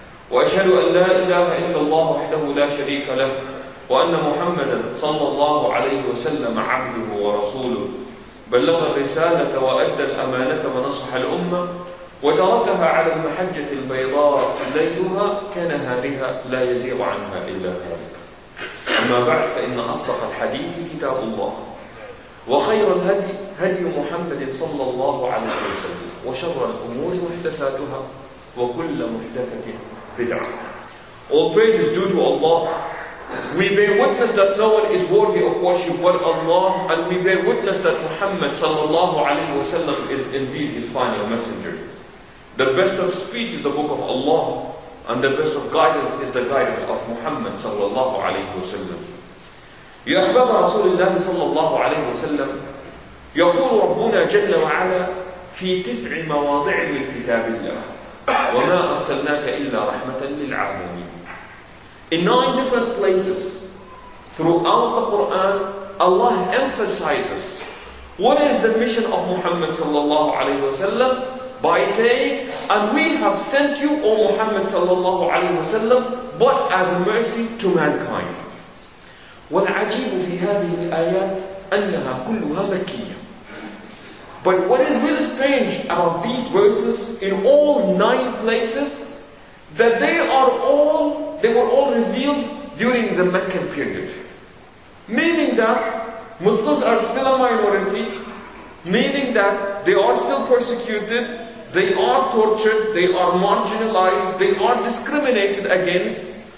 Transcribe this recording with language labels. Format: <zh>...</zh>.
<ar>وأشهد أن لا إله إلا الله وحده لا شريك له، وأن محمدا صلى الله عليه وسلم عبده ورسوله، بلغ الرسالة وأدى الأمانة ونصح الأمة وتركها على المحجة البيضاء ليلها كنهارها لا يزيغ عنها إلا هالك. أما بعد، فإن أصدق الحديث كتاب الله، وخير الهدي هدي محمد صلى الله عليه وسلم، وشر الأمور محدثاتها وكل محدثة بدعة.</ar> <en>All praise is due to Allah. We bear witness that no one is worthy of worship but Allah, and we bear witness that Muhammad sallallahu alaihi wasallam is indeed his final messenger. The best of speech is the book of Allah, and the best of guidance is the guidance of Muhammad sallallahu alaihi wasallam.</en> <ar>Ya ahbaba Rasulullah sallallahu alaihi wasallam, يقول ربنا جل وعلا في تسع مواضع من كتاب الله وما أرسلناك إلا رحمة للعالمين.</ar> <en>In 9 different places throughout the Quran, Allah emphasizes what is the mission of Muhammad sallallahu alaihi wasallam by saying, "And we have sent you, O Muhammad sallallahu alaihi wasallam, but as a mercy to mankind."</en> <ar>والعجيب في هذه الآيات أنها كلها مكية.</ar> <en>But what is really strange about these verses in all 9 places, that they were all revealed during the Meccan period. Meaning that Muslims are still a minority, meaning that they are still persecuted, they are tortured, they are marginalized, they are discriminated against.</en>